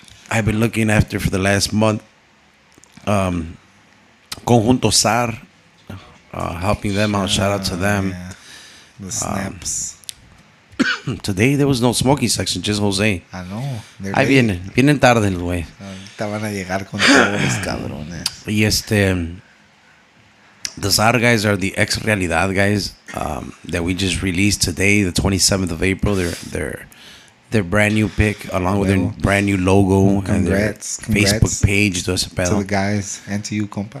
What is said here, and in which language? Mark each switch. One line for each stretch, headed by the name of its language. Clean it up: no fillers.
English: I've been looking after for the last month. Conjunto Sar, helping them out. Shout out to them. Yeah. The snaps. Today there was no smoking section, just Jose. I know.
Spanish: Ahí vienen, vienen tarde, el güey. Te van a llegar con todos los cabrones. Y este,
English: the Sar guys are the ex realidad guys that we just released today, the 27th of April. Their brand new pick, along with their brand new logo. Congrats. And their Facebook page. To the guys and to you, compa.